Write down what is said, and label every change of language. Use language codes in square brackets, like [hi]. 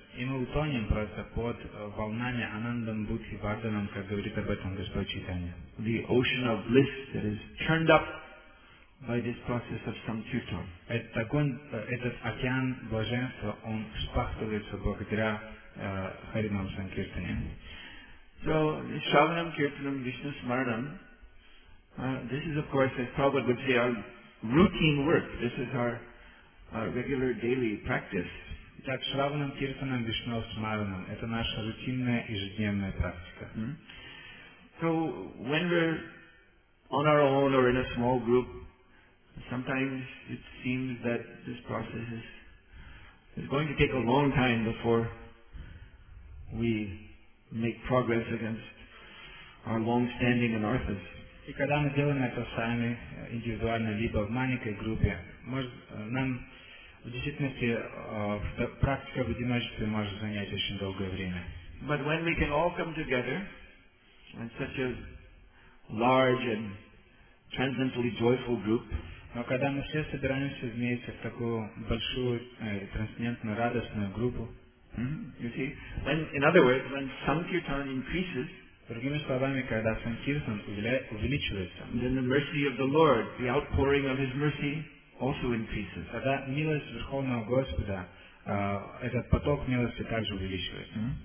[ru] И мы утонем просто под волнами Анандам Будхи Варданам, как говорит об этом Господь Чайтанья. [en] The ocean of bliss that is churned up by this process of Sankirtan. [ru] Этот океан блаженства, он вспахивается благодаря Харинам Санкиртане. [en] So, [sa] Шраванам Киртанам Вишну Смаранам, [en] this is of course, as Prabhupada would say, our routine work. This is our regular daily practice. [ru] Итак, Шраванам Киртанам Вишну Смаранам, это наша рутинная ежедневная практика. [en] So, when we're on our own or in a small group, sometimes it seems that this process is going to take a long time before we make progress against our long-standing anarthas. [ru] И когда мы делаем это сами, индивидуально, либо в маленькой группе, нам в действительности практика в одиночестве может занять очень долгое время. [en] But when we can all come together in such a large and transcendentally joyful group, [ru] но когда мы все собираемся вместе в такую большую, трансцендентную, радостную группу, [en] you see, when, in other words, when Sankirtan increases, [ru] другими словами, когда Sankirtan увеличивается, [en] then the mercy of the Lord, the outpouring of His mercy, also increases. [ru] Когда милость Верховного Господа, этот поток милости также увеличивается.